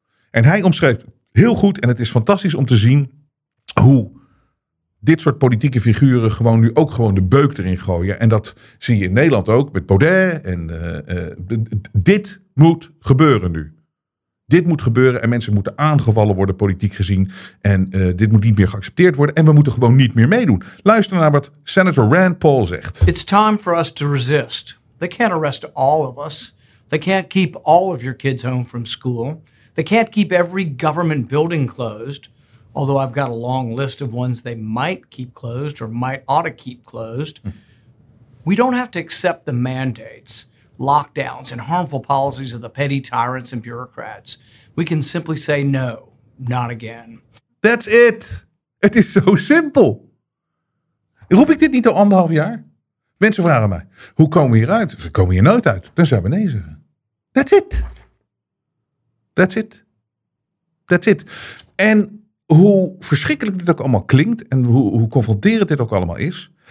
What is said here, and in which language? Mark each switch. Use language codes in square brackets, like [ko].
[nl] En hij omschrijft heel goed, en het is fantastisch om te zien hoe dit soort politieke figuren gewoon nu ook gewoon de beuk erin gooien. En dat zie je in Nederland ook met Baudet. Dit moet gebeuren nu. Dit moet gebeuren en mensen moeten aangevallen worden politiek gezien. En dit moet niet meer geaccepteerd worden. En we moeten gewoon niet meer meedoen. Luister naar wat Senator Rand Paul zegt. [en] It's time for us to resist. They can't arrest all of us. They can't keep all of your kids home from school. They can't keep every government building closed. Although I've got a long list of ones they might keep closed or might ought to keep closed. We don't have to accept the mandates, lockdowns, and harmful policies of the petty tyrants and bureaucrats. We can simply say no, not again. That's it. [nl] Het is zo simpel. Roep ik dit niet al anderhalf jaar? Mensen vragen mij, hoe komen we hieruit? Ze komen hier nooit uit. Dan zijn we nee zeggen. [en] That's it. That's it. That's it. [nl] En hoe verschrikkelijk dit ook allemaal klinkt en hoe confronterend dit ook allemaal is.